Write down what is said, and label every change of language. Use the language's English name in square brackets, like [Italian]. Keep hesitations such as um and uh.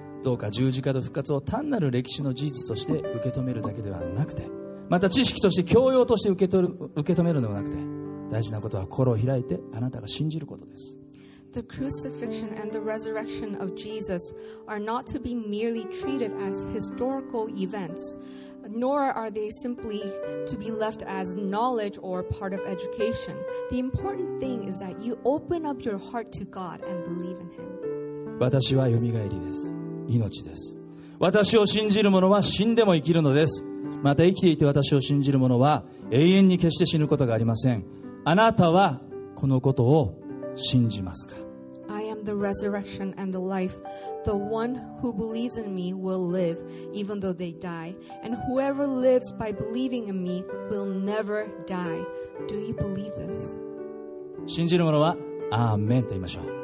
[Japanese] どうか十字架と復活を単なる歴史の事実として受け止めるだけではなくてまた知識として教養として受け,取る受け止めるのではなくて大事なことは心を開いてあなたが信じることです。 [English] the crucifixion and the resurrection of Jesus are not to be merely treated as historical events, nor are they simply to be left as knowledge or part of education. The important thing is that you open up your heart to God and believe in Him. [Japanese] 私はよみがえりです。命です。私を信じる者は死んでも生きるのです。また生きていて私を信じる者は永遠に決して死ぬことがありません。あなたはこのことを信じますか [English] I am the resurrection and the life. The one who believes in me will live, even though they die. And whoever lives by believing in me will never die. Do you believe this? [Japanese] 信じるものは、アーメンと言いましょう。